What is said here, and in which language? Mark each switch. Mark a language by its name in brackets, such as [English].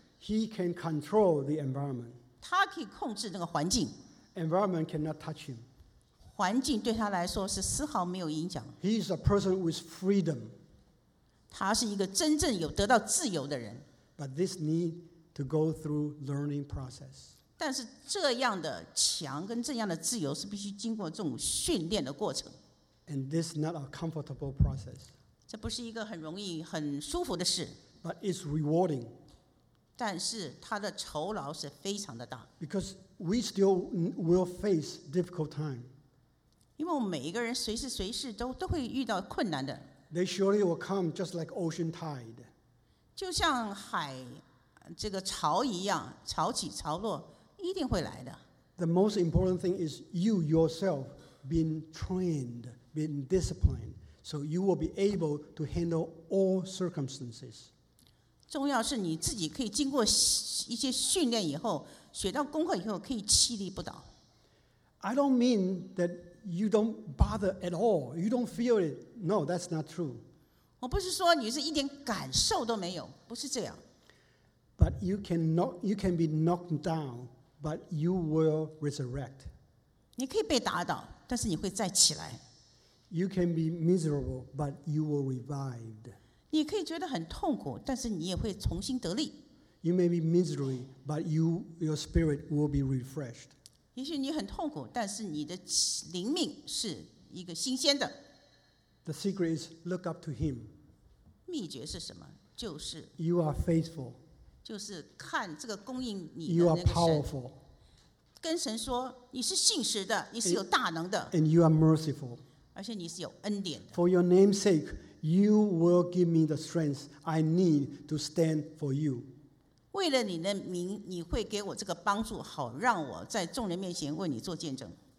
[English] He can control the environment. [Chinese] 他可以控制那个环境。 [English] Environment cannot touch him. [Chinese] 环境对他来说是丝毫没有影响。 [English] He is a person with freedom. [Chinese] 他是一个真正有得到自由的人。 [English] But this need to go through learning process. [Chinese] 但是这样的强跟这样的自由是必须经过这种训练的过程。 [English] And this is not a comfortable process. [Chinese] 这不是一个很容易很舒服的事。 [English] But it's rewarding. [Chinese] 但是他的酬劳是非常的大。 [English] Because we still will face difficult time. [Chinese] 因为我们每一个人随时随地都会遇到困难的。 [English] They surely will come just like ocean tide. [Chinese] 就像海这个潮一样，潮起潮落，一定会来的。 [English] The most important thing is you yourself being trained, being disciplined, so you will be able to handle all circumstances. [Chinese] 重要是你自己可以经过一些训练以后，学到功课以后，可以气力不倒。 [English] I don't mean that. You don't bother at all. You don't feel it. No, that's not true. [Chinese] 我不是说你是一点感受都没有，不是这样。 [English] But you can be knocked down, but you will resurrect. [Chinese] 你可以被打倒，但是你会再起来。 [English] You can be miserable, but you will revive. [Chinese] 你可以觉得很痛苦，但是你也会重新得力。 [English] You may be miserable, but your spirit will be refreshed. [Chinese] 也许你很痛苦，但是你的灵命是一个新鲜的。 [English] The secret is look up to him. [Chinese] 秘诀是什么？就是 [English] You are faithful. [Chinese] 就是看这个供应你的那个神。 [English] You are powerful. [Chinese] 跟神说你是信实的，你是有大能的。 [English] And you are merciful. [Chinese] 而且你是有恩典的。 [English] For your name's sake, you will give me the strength I need to stand for you. [Chinese] 为了你的名，你会给我这个帮助，好让我在众人面前为你做见证。